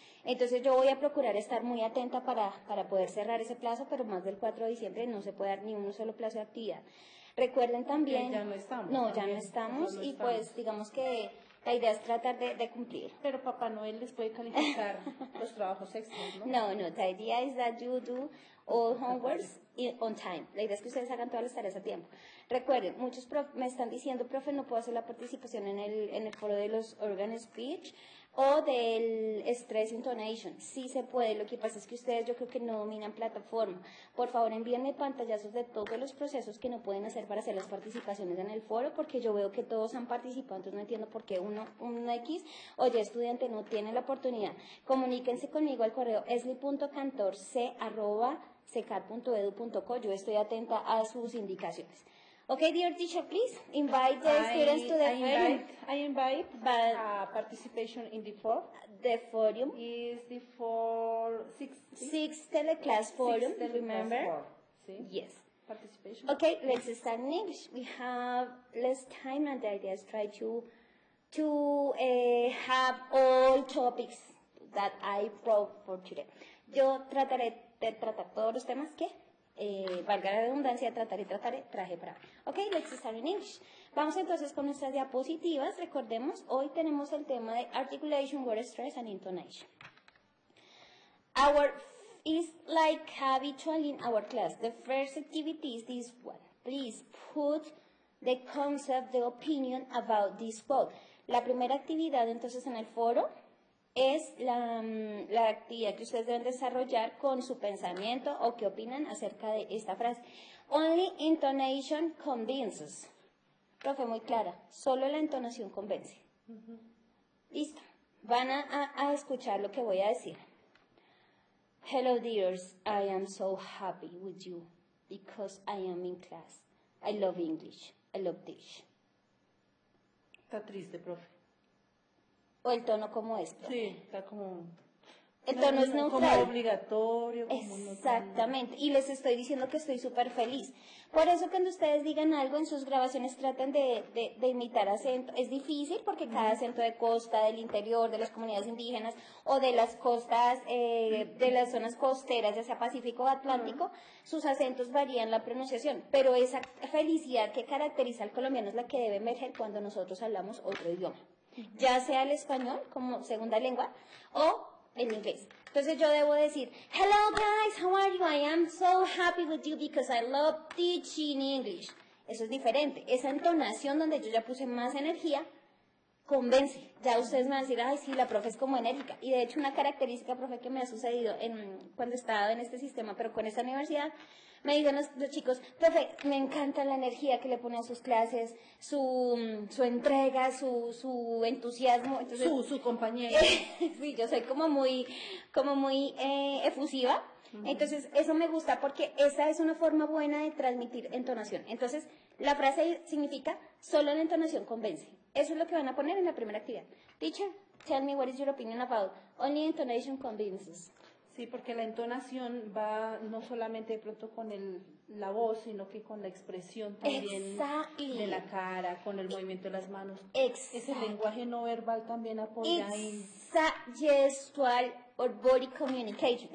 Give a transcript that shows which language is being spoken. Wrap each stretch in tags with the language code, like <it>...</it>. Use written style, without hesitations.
<es>Entonces yo voy a procurar estar muy atenta para poder cerrar ese plazo, pero más del 4 de diciembre no se puede dar ni un solo plazo de actividad. Recuerden también... Ya no estamos. No, ya no estamos y pues digamos que la idea es tratar de cumplir. Pero Papá Noel les puede calificar los trabajos extras, ¿no?</es> <en>No, the idea is that you do all homeworks on time.</en> <es>La idea es que ustedes hagan todas las tareas a tiempo. Recuerden, muchos me están diciendo, profe, no puedo hacer la participación en el foro de los organ speech o del stress intonation. Sí se puede, lo que pasa es que ustedes yo creo que no dominan plataforma. Por favor, envíenme pantallazos de todos los procesos que no pueden hacer para hacer las participaciones en el foro, porque yo veo que todos han participado, entonces no entiendo por qué un estudiante no tiene la oportunidad. Comuníquense conmigo al correo esli.cantorc@secar.edu.co. Yo estoy atenta a sus indicaciones.</es> <en>Okay, dear teacher, please invite the students to the forum. I invite participation in the forum. The forum is the four, six, six teleclass forum, six teleclass, remember? Four. Sí. Yes. Participation. Okay, let's start in English. We have less time and the idea is try to have all topics that I brought for today.</en> <es>Yo trataré de tratar todos los temas que... valga la redundancia, trataré, traje para...</es> <en>Ok, let's start in English.</en> <es>Vamos entonces con nuestras diapositivas. Recordemos, hoy tenemos el tema de articulation, word stress and intonation.</es> <en>It's like habitual in our class. The first activity is this one. Please put the concept, the opinion about this quote.</en> <es>La primera actividad entonces en el foro es la actividad que ustedes deben desarrollar con su pensamiento o qué opinan acerca de esta frase.</es> <en>Only intonation convinces.</en> <es>Profe, muy clara. Solo la entonación convence. Listo. Van a escuchar lo que voy a decir.</es> <en>Hello, dears. I am so happy with you because I am in class. I love English. I love this.</en> <es>Está triste, profe. o el tono como esto. Sí, está como... El tono es neutral. Como obligatorio. Como exactamente. Neutral. Y les estoy diciendo que estoy súper feliz. Por eso cuando ustedes digan algo en sus grabaciones, traten de imitar acento. Es difícil porque cada acento de costa, del interior, de las comunidades indígenas o de las costas, de las zonas costeras, ya sea Pacífico o Atlántico, sus acentos varían la pronunciación. Pero esa felicidad que caracteriza al colombiano es la que debe emerger cuando nosotros hablamos otro idioma. Ya sea el español como segunda lengua o... en inglés. Entonces yo debo decir,</es> <en>hello guys, how are you? I am so happy with you because I love teaching English.</en> <es>Eso es diferente. Esa entonación donde yo ya puse más energía, convence. Ya ustedes me van a decir, ay sí, la profe es como enérgica. Y de hecho una característica, profe, que me ha sucedido en, cuando he estado en este sistema, pero con esta universidad, me dicen los chicos, profe, me encanta la energía que le pone a sus clases, su entrega, su entusiasmo. Entonces, su compañero. Sí, yo soy como muy efusiva. Uh-huh. Entonces, eso me gusta porque esa es una forma buena de transmitir entonación. Entonces, la frase significa, solo la entonación convence. Eso es lo que van a poner en la primera actividad.</es> <en>Teacher, tell me what is your opinion about only intonation convinces.</en> <es>Sí, porque la entonación va no solamente de pronto con la voz, sino que con la expresión también. Exacto. De la cara, con el movimiento de las manos. Exacto. Ese lenguaje no verbal también apoya ahí. Exacto. Gestual</es> <en>or body communication.</en>